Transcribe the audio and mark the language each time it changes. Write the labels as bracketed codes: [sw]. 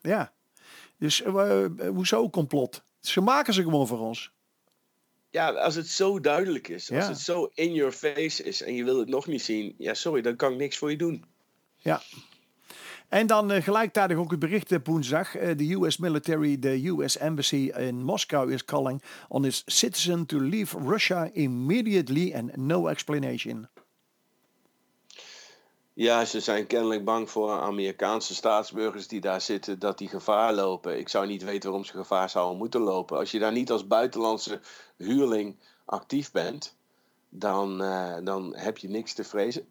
[nl] Ja. Dus hoezo complot? Ze maken ze gewoon voor ons. Ja, als het zo duidelijk is, als het zo [en] in your face [nl] is en je wil het nog niet zien, ja, sorry, dan kan ik niks voor je doen. Ja. En dan gelijktijdig ook het bericht op woensdag. [en] De US military, de US embassy in Moskou is calling on its citizen to leave Russia immediately and no explanation. [nl] Ja, ze zijn kennelijk bang voor Amerikaanse staatsburgers die daar zitten, dat die gevaar lopen. Ik zou niet weten waarom ze gevaar zouden moeten lopen. Als je daar niet als buitenlandse huurling actief bent, dan heb je niks te vrezen.